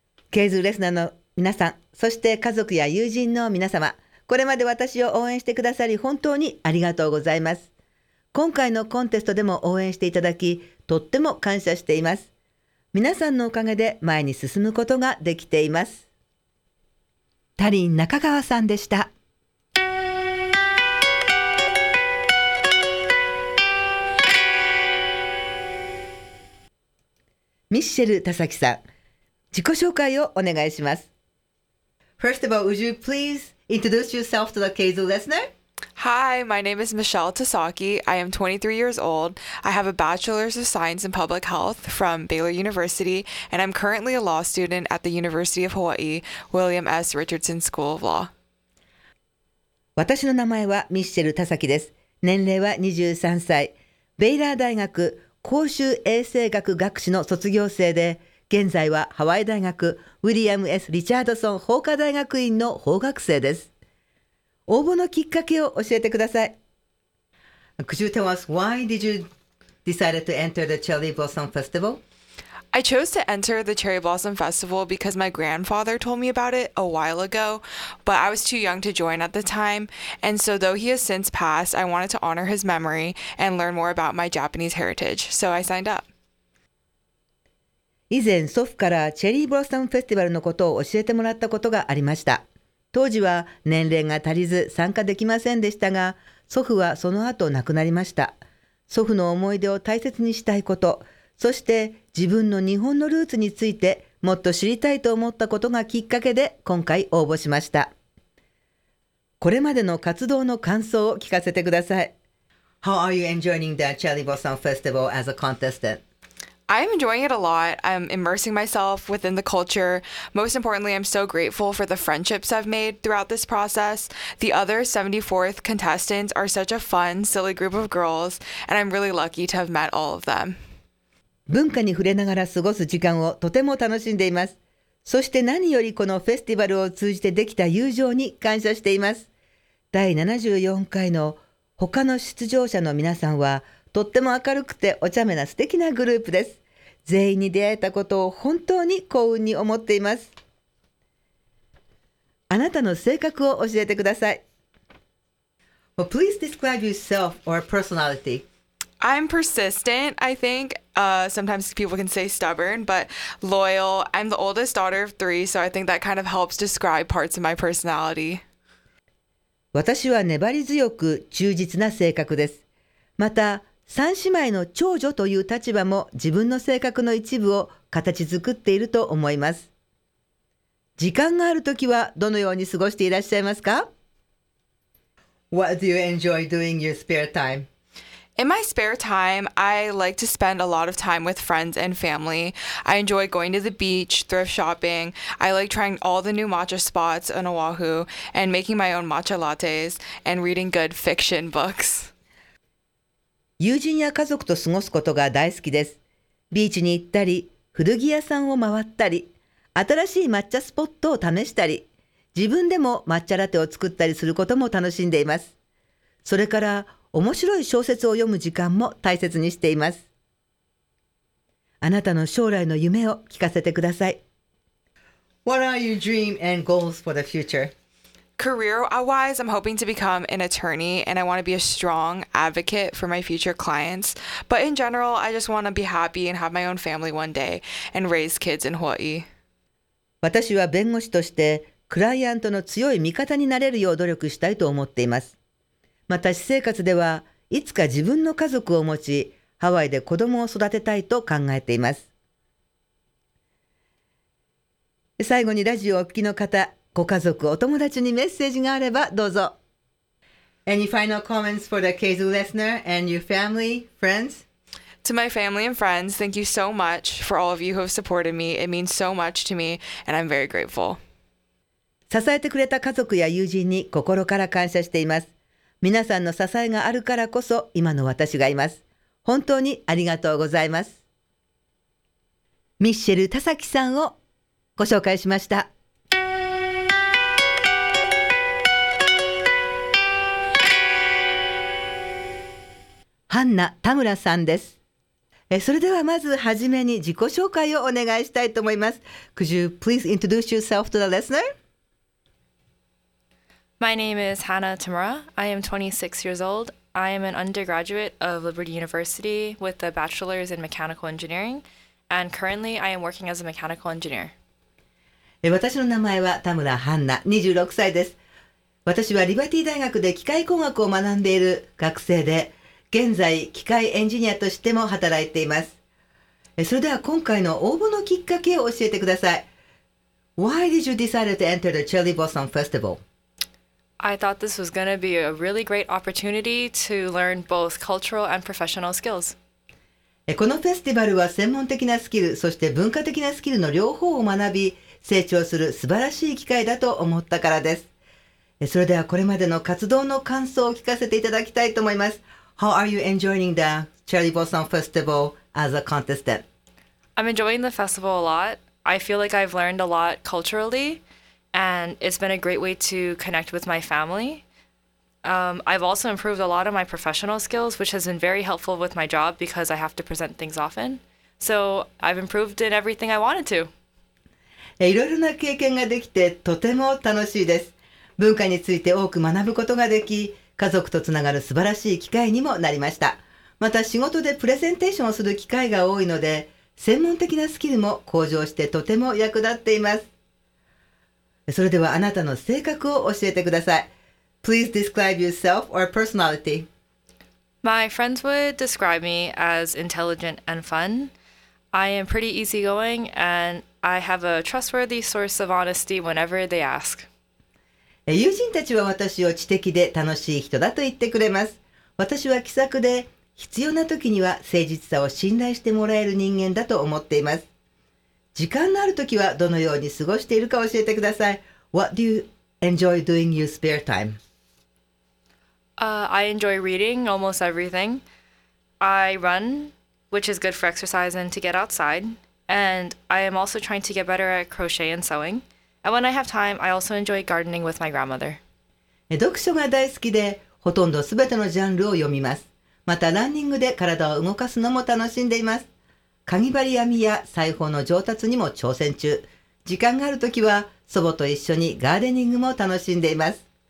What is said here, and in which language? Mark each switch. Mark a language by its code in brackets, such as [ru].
[ja] KZOO レスナーの皆さん、そして家族や友人の皆様、これまで私を応援してくださり本当にありがとうございます。今回のコンテストでも応援していただき、とっても感謝しています。皆さんのおかげで前に進むことができています。タリン中川さんでした。ミッシェル田崎さん、自己紹介をお願いします。 [en] First of all, would you please introduce yourself to the KZOO listener? Hi, my name is Michelle Tasaki. I am 23 years old. I have a Bachelor's of Science in Public Health from Baylor University, and I'm currently a law student at the University of Hawaii, William S. Richardson School of Law. [ja] 私の名前はミッシェル・タサキです。年齢は23歳。ベイラー大学公衆衛生学学士の卒業生で、現在はハワイ大学William S. Richardson 法科大学院の法学生です。応募のきっかけを教えてください。 [en] Could you tell us why did you decide to enter the Cherry Blossom Festival? I chose to enter the Cherry Blossom Festival because my grandfather told me about it a while ago, but I was too young to join at the time. And so though he has since passed, I wanted to honor his memory and learn more about my Japanese heritage. So I signed up. [ja] 以前、祖父からチェリーブロッサムフェスティバルのことを教えてもらったことがありました。当時は年齢が足りず参加できませんでしたが、祖父はその後亡くなりました。祖父の思い出を大切にしたいこと、そして自分の日本のルーツについてもっと知りたいと思ったことがきっかけで今回応募しました。これまでの活動の感想を聞かせてください。 [en] How are you enjoying the Cherry Blossom Festival as a contestant? I'm enjoying it a lot. I'm immersing myself within the culture. Most importantly, I'm so grateful for the friendships I've made throughout this process. The other 74th contestants are such a fun, silly group of girls, and I'm really lucky to have met all of them. [ja] 文化に触れながら過ごす時間をとても楽しんでいます。そして何よりこのフェスティバルを通じてできた友情に感謝しています。第74回の他の出場者の皆さんは、とっても明るくてお茶目な素敵なグループです。全員に出会えたことを本当に幸運に思っています。あなたの性格を教えてください。 [en] Well, please describe yourself or personality. I'm persistent, I think. Sometimes people can say stubborn, but loyal. I'm the oldest daughter of three, so I think that kind of helps describe parts of my personality. [ja] 私は粘り強く忠実な性格です。また、三姉妹の長女という立場も自分の性格の一部を形作っていると思います。時間があるときはどのように過ごしていらっしゃいますか? [en] What do you enjoy doing your spare time? In my spare time, I like to spend a lot of time with friends and family. I enjoy going to the beach, thrift shopping. I like trying all the new matcha spots on Oahu and making my own matcha lattes and reading good fiction books. [ja] 友人や家族と過ごすことが大好きです。ビーチに行ったり、古着屋さんを回ったり、新しい抹茶スポットを試したり、自分でも抹茶ラテを作ったりすることも楽しんでいます。それから、面白い小説を読む時間も大切にしています。あなたの将来の夢を聞かせてください。 [en] What are your dream and goals for the future? Career-wise, I'm hoping to become an attorney and I want to be a strong advocate for my future clients. But in general, I just want to be happy and have my own family one day and raise kids in Hawaii. [ja] 私は弁護士としてクライアントの強い味方になれるよう努力したいと思っています。また私生活ではいつか自分の家族を持ち、ハワイで子供を育てたいと考えています。最後にラジオをお聞きの方、ご家族、お友達にメッセージがあればどうぞ。 [en] Any final comments for the KZU listener and your family, friends? To my family and friends, thank you so much for all of you who have supported me. It means so much to me, and I'm very grateful. [ja] 支えてくれた家族や友人に心から感謝しています。皆さんの支えがあるからこそ今の私がいます。本当にありがとうございます。ミッシェル田崎さんをご紹介しました。ハンナ田村さんです。それではまずはじめに自己紹介をお願いしたいと思います。 [en] Could you please introduce yourself to the listener? My name is Hannah Tamura. I am 26 years old. I am an undergraduate of Liberty University with a bachelor's in mechanical engineering, and currently I am working as a mechanical engineer. [ja] 私の名前は田村ハンナ、26歳です。私はリバティ大学で機械工学を学んでいる学生で、現在機械エンジニアとしても働いています。それでは今回の応募のきっかけを教えてください。 [en] Why did you decide to enter the Cherry Blossom Festival? I thought this was going to be a really great opportunity to learn both cultural and professional skills. [ja] このフェスティバルは専門的なスキル、そして文化的なスキルの両方を学び、成長する素晴らしい機会だと思ったからです。それではこれまでの活動の感想を聞かせていただきたいと思います。 [en] How are you enjoying the Cherry Blossom Festival as a contestant? I'm enjoying the festival a lot. I feel like I've learned a lot culturally. And it's been a great way to connect with my family. I've also improved a lot of my professional skills, which has been very helpful with my job because I have to present things often. So I've improved in everything I wanted to. [ja] いろいろな経験ができてとても楽しいです。文化について多く学ぶことができ、家族とつながる素晴らしい機会にもなりました。また仕事でプレゼンテーションをする機会が多いので、専門的なスキルも向上してとても役立っています。それではあなたの性格を教えてください。 [en] Please describe yourself or personality. My friends would describe me as intelligent and fun. I am pretty easygoing and I have a trustworthy source of honesty whenever they ask. [ja] 友人たちは私を知的で楽しい人だと言ってくれます。私は気さくで必要な時には誠実さを信頼してもらえる人間だと思っています。時間のあるときはどのように過ごしているか教えてください。 [en] What do you enjoy doing your spare time? I enjoy reading almost everything. I run, which is good for exercise and to get outside. And I am also trying to get better at crochet and sewing. And when I have time, I also enjoy gardening with my grandmother. [ja] 読書が大好きで、ほとんどすべてのジャンルを読みます。またランニングで体を動かすのも楽しんでいます。かぎ針編みや裁縫の上達にも挑戦中。時間があるときは祖母と一緒にガーデニングも楽しんでいます。